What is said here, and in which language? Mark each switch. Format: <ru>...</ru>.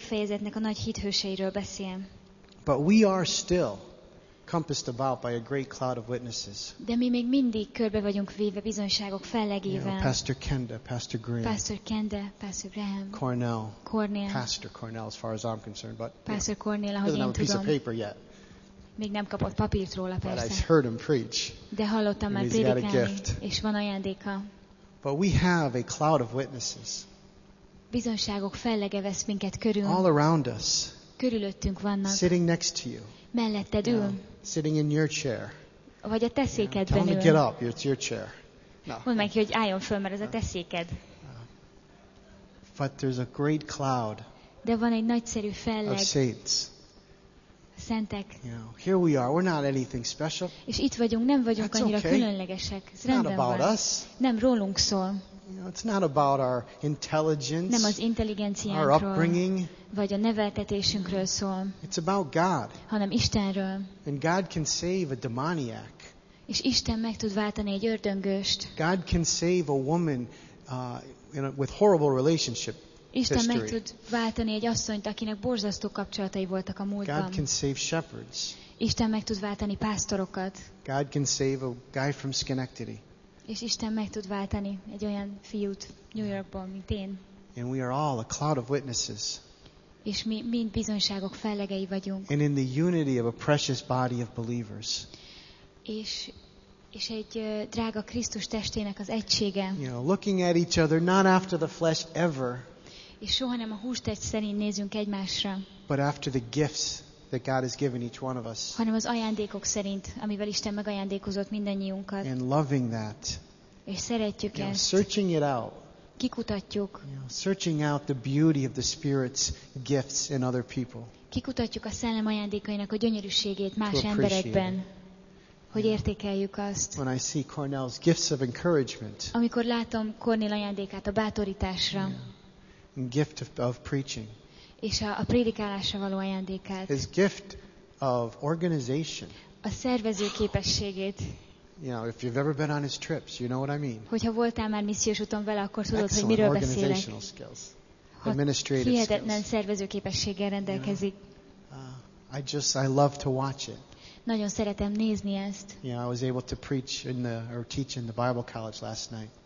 <hu>fejezetnek a nagy hithőseiről beszél.</hu> <en>But we are still compassed about by a great cloud of witnesses.</en> <hu>De mi még mindig körbe vagyunk véve bizonyságok fellegével.</hu> <en>You know, Pastor Kenda, Pastor Graham. Pastor Kenda, Pastor Graham. Cornell. Cornell. Pastor Cornell, as far as I'm concerned, but</en> <hu>Pastor Cornell, ahogy én tudom.</hu> <en>Doesn't have a piece of paper yet.</en> <hu>Még nem kapott papírt róla, persze.</hu> <en>But I've heard him preach.</en> <hu>De hallottam már prédikálni, és van ajándéka.</hu> <en>But we have a cloud of witnesses.</en> <hu>Bizonyságok fellege vesz minket körül.</hu> <en>All around us.</en> <hu>Körülöttünk vannak.</hu> <en>Sitting next to you.</en> <hu>Melletted ül.</hu> <en>Sitting in your chair.</en> <hu>Vagy a te székedben ül.</hu> <en>Tell me, get up. It's your chair. No.</en> <hu>Mondd meg, hogy álljon föl, mert ez a te széked.</hu> <en>But there's a great cloud.</en> <hu>De van egy nagyszerű felleg.</hu> <en>Of saints.</en> <hu>Szentek.</hu> <en>You know, here we are. We're not anything special.</en> <hu>És itt vagyunk, nem vagyunk annyira különlegesek.</hu> <en>It's not about us.</en> <hu>Nem rólunk szól.</hu> <en>You know, it's not about our intelligence.</en> <hu>Nem az intelligenciánkról.</hu> <en>Our upbringing.</en> <hu>Vagy a neveltetésünkről szól.</hu> <en>It's about God.</en> <hu>Hanem Istenről.</hu> <en>And God can save a demoniac.</en> <hu>És Isten meg tud váltani egy ördöngöst.</hu> <en>God can save a woman with horrible relationship history.</en> <hu>Isten meg tud váltani egy asszonyt, akinek borzasztó kapcsolatai voltak a múltban.</hu> <en>God can save shepherds.</en> <hu>Isten meg tud váltani pásztorokat.</hu> <en>God can save a guy from Schenectady.</en> <hu>És Isten meg tud váltani egy olyan fiút New Yorkból, mint én.</hu> <en>And we are all a cloud of witnesses.</en> <hu>És mi mind bizonyságok fellegei vagyunk.</hu> <en>And in the unity of a precious body of believers.</en> <hu>És egy drága Krisztus testének az egysége.</hu> <en>You know, looking at each other, not after the flesh ever.</en> <hu>És soha nem a hústest szerint nézünk egymásra.</hu> <en>But after the gifts that God has given each one of us.</en> <hu>Hanem az ajándékok szerint, amivel Isten megajándékozott mindannyiunkat.</hu> <en>And loving that.</en> <hu>És szeretjük ezt.</hu> <en>You know, searching it out.</en> <hu>Kikutatjuk.</hu> <en>You know, searching out the beauty of the Spirit's gifts in other people.</en> <hu>Kikutatjuk a szellem ajándékainak a gyönyörűségét más emberekben. Hogy értékeljük azt.</hu> <en>When I see Cornell's gifts of encouragement.</en> <hu>Amikor látom Cornél ajándékát a bátorításra.</hu> <en>And gift of preaching.</en> <hu>És a prédikálásra való ajándékát.</hu> <en>His gift of organization.</en> <hu>A szervező képességét.</hu> <en>You know, if you've ever been on his trips, you know what I mean.</en> <hu>Hogyha voltál már missziós úton vele, akkor tudod, hogy miről beszélek.</hu> <en>Excellent organizational skills. Administrative skills.</en> <hu>Hihetetlen szervezőképességgel rendelkezik.</hu> <en>I love to watch it.</en> <hu>Nagyon szeretem nézni ezt.</hu> <en>Yeah, you know, I was able to preach in the or teach in the Bible college last night.</en>